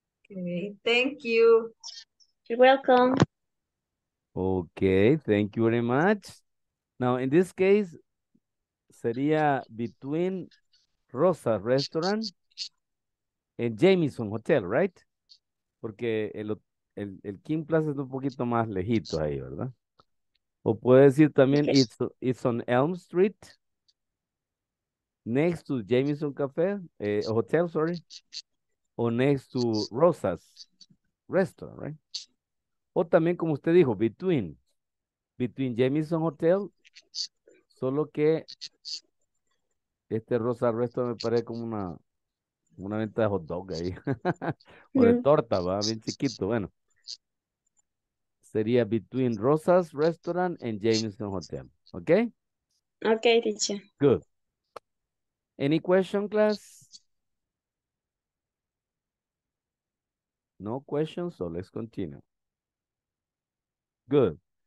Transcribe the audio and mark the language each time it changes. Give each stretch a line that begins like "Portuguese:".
English: Okay, thank you. You're welcome. Okay, thank you very much. Now, in this case, sería between Rosa Restaurant and Jameson Hotel, right?
Spanish: Porque el Kim Plaza es un poquito más lejito ahí, ¿verdad? O puede decir también, okay.
English: it's on Elm Street. Next to Jameson Cafe, hotel, sorry. Or next to Rosa's restaurant, right?
Spanish: O también, como usted dijo,
English: between Jameson Hotel,
Spanish: solo que este Rosa's restaurant me parece como una venta de hot dog ahí. O de torta, va, bien chiquito, bueno.
English: Sería between Rosa's restaurant and Jameson Hotel, okay? Okay, teacher. Good. Any question, class? No questions, so let's continue. Good.